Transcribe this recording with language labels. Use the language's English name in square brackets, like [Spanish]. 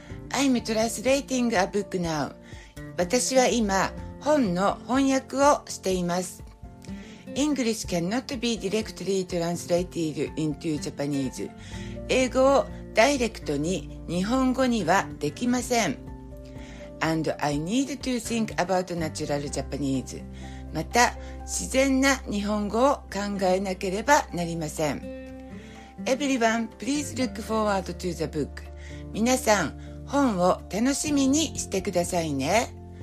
[English] I'm translating a book now。 [Japanese] 私は今本の翻訳をしています。 [English] English cannot be directly translated into Japanese。 [Japanese] 英語をダイレクトに日本語にはできません。 [English] And I need to think about natural Japanese。 [Japanese] また自然な日本語を考えなければなりません。 [English] Everyone, please look forward to the book。 [Japanese] 皆さん、本を楽しみにしてくださいね。